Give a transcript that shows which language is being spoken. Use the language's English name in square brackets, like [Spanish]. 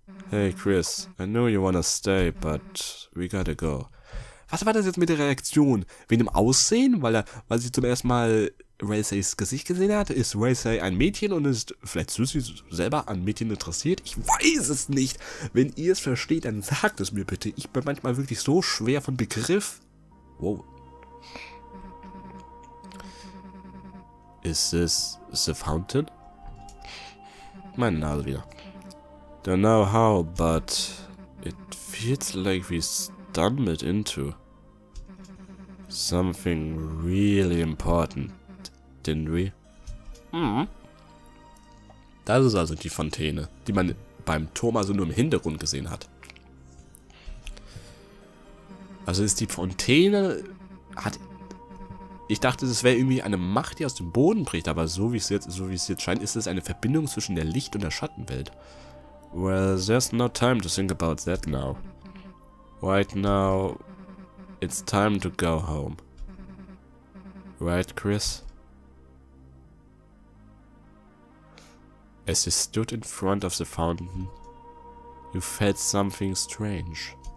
[English] Hey, Chris, I know you wanna stay, but we gotta go. [German] Was war das jetzt mit der Reaktion? Wegen dem Aussehen? Weil sie zum ersten Mal Raceys Gesicht gesehen hat? Ist Racey ein Mädchen und ist vielleicht Susie selber an Mädchen interessiert? Ich weiß es nicht. Wenn ihr es versteht, dann sagt es mir bitte. Ich bin manchmal wirklich so schwer von Begriff. Wow. [English] Is this the fountain? [German] Meine Nase wieder. [English] Don't know how, but it feels like we stumbled into something really important, didn't we? [German] Das ist also die Fontäne, die man beim Turm also nur im Hintergrund gesehen hat. Also ist die Fontäne... Ich dachte, das wäre irgendwie eine Macht, die aus dem Boden bricht, aber so wie es jetzt, scheint, ist es eine Verbindung zwischen der Licht- und der Schattenwelt. [English] Well, there's no time to think about that now. Right now, it's time to go home. Right, Chris? As you stood in front of the fountain, you felt something strange.